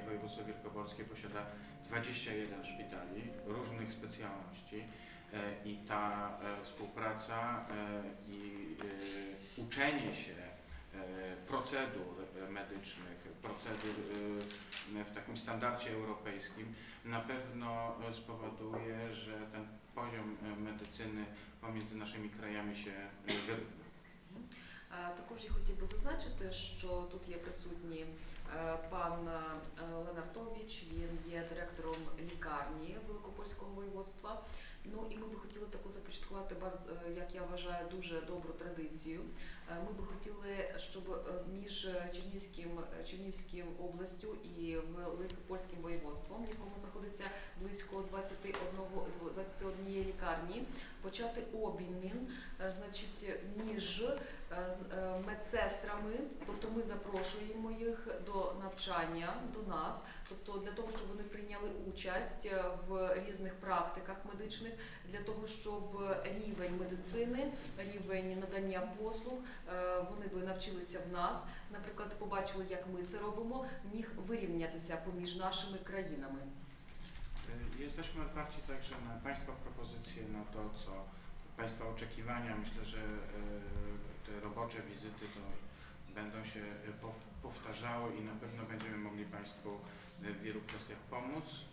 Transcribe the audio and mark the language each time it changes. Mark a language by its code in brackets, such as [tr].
[pl] Województwo Wielkopolskie posiada 21 szpitali różnych specjalności i ta współpraca i uczenie się procedur medycznych, procedur w takim standardzie europejskim na pewno spowoduje, że ten poziom medycyny pomiędzy naszymi krajami się wyrówna. [uk] Також я хотів би зазначити, що тут є присутній пан Ленартович, він є директором лікарні Великопольського воєводства. Ну і ми би хотіли таку започаткувати, як я вважаю, дуже добру традицію. Ми би хотіли, щоб між Чернівським областю і Великопольським воєводством, в якому знаходиться близько 21 лікарні, почати обмін, значить, між медсестрами, тобто ми запрошуємо їх до навчання, до нас, тобто для того, щоб вони прийняли участь в різних практиках медичних, для того, щоб рівень медицини, рівень надання послуг, вони би навчилися в нас, наприклад, побачили, як ми це робимо, міг вирівнятися поміж нашими країнами. [pl] Jesteśmy otwarci także na Państwa propozycje, na to, co Państwa oczekiwania. Myślę, że te robocze wizyty to będą się powtarzały i na pewno będziemy mogli Państwu w wielu kwestiach pomóc.